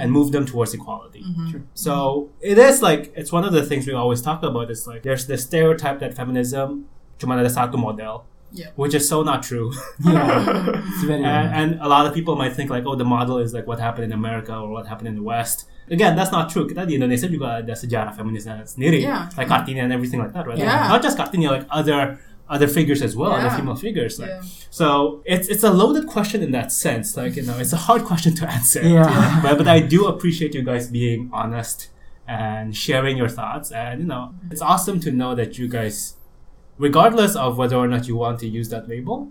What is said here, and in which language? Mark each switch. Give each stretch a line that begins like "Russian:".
English: and move them towards equality. Mm-hmm. So it is like, it's one of the things we always talk about. It's like, there's the stereotype that feminism
Indonesian: cuma ada satu model.
English: Yeah. Which is so not true. Yeah. And a lot of people might think like, oh, the model is like what happened in America or what happened in the West. Again, that's not true.
Indonesian: Kita di Indonesia juga ada sejarah feminisme sendiri.
English: Yeah. Like Kartini and everything like that, right? Yeah. Like, not just Kartini, like other figures as well, yeah. other female figures. Like. Yeah. So it's a loaded question in that sense. Like, you know, it's a hard question to answer. Yeah. But I do appreciate you guys being honest and sharing your thoughts. And, you know, it's awesome to know that you guys, regardless of whether or not you want to use that label,